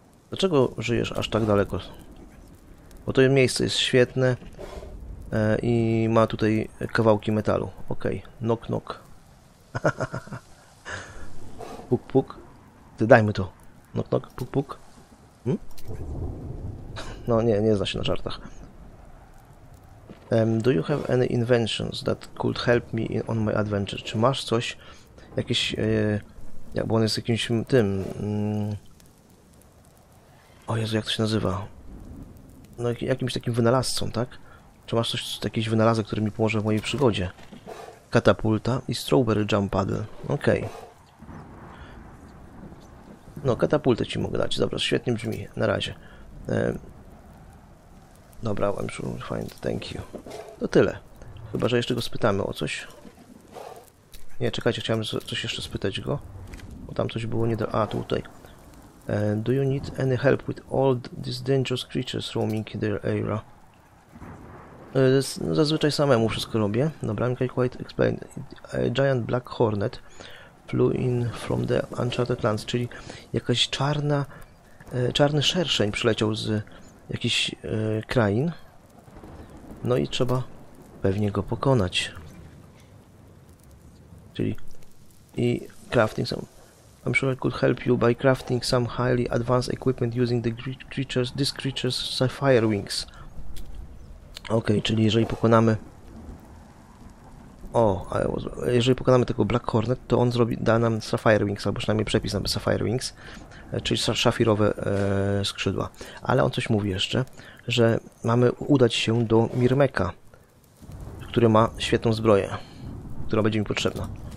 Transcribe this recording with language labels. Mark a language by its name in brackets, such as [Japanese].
[Polish] Dlaczego żyjesz aż tak daleko? Bo to miejsce jest świetne. I ma tutaj kawałki metalu. Okej. Okay. Nok, nok. Puk, puk. Ty daj mi to. Nok, nok, puk, puk. Hm? No nie, nie zna się na żartach. [English] Do you have any inventions that could help me in, on my adventure? [Polish] Czy masz coś? Jakieś... bo on jest jakimś tym... O Jezu, jak to się nazywa? No jakimś takim wynalazcą, tak? Czy masz coś, jakiś wynalazek, który mi pomoże w mojej przygodzie? Katapulta i strawberry jump paddle. Okej. Okay. No, katapultę ci mogę dać. Dobra, świetnie brzmi. Na razie. Dobra, [English] I'm sure we'll find. Thank you. [Polish] To tyle. Chyba, że jeszcze go spytamy o coś. Nie, czekajcie, chciałem coś jeszcze spytać go. Bo tam coś było nie do... A, tutaj. [English] Do you need any help with all these dangerous creatures roaming in their area? [Polish] No, zazwyczaj samemu wszystko robię. [English] Dobra, I'm quite explained. A giant black hornet flew in from the Uncharted Lands, [Polish] czyli jakaś czarna... czarny szerszeń przyleciał z jakichś krain. No i trzeba pewnie go pokonać. Czyli... [English] I crafting some... I'm sure I could help you by crafting some highly advanced equipment using the creatures... this creature's sapphire wings. [Polish] Okej, czyli jeżeli pokonamy... O, jeżeli pokonamy tego Black Hornet, to on zrobi, da nam Sapphire Wings, albo przynajmniej przepis na Sapphire Wings, czyli szafirowe skrzydła. Ale on coś mówi jeszcze, że mamy udać się do Mirmeka, który ma świetną zbroję, która będzie mi potrzebna.